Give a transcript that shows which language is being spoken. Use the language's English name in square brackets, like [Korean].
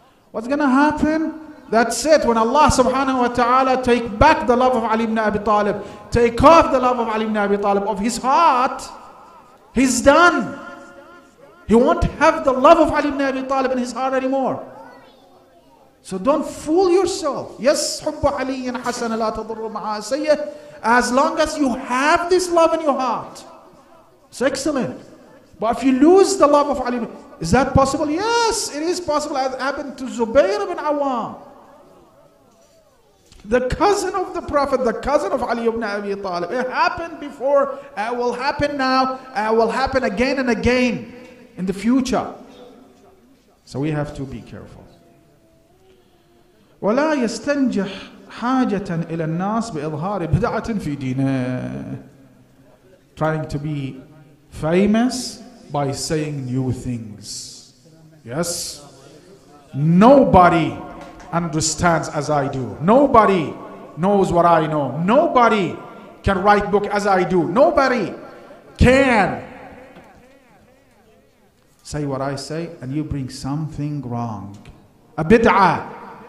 [English] What's going to happen? That's it. When Allah subhanahu wa ta'ala take back the love of Ali ibn Abi Talib, take off the love of Ali ibn Abi Talib of his heart, he's done. He won't have the love of Ali ibn Abi Talib in his heart anymore. So don't fool yourself. Yes, [Arabic] حب علي حسن لا تضر مع سيئة. [English] As long as you have this love in your heart, it's excellent. But if you lose the love of Ali, is that possible? Yes, it is possible. It happened to Zubair ibn Awam, the cousin of the Prophet, the cousin of Ali ibn Abi Talib. It happened before, it will happen now, it will happen again and again in the future. So we have to be careful. [Arabic] ولا يستنجح حاجة إلى الناس بإظهار بدعة في دينه. [English] Trying to be famous by saying new things. Yes? Nobody understands as I do. Nobody knows what I know. Nobody can write book as I do. Nobody can say what I say and you bring something wrong. A bid'ah.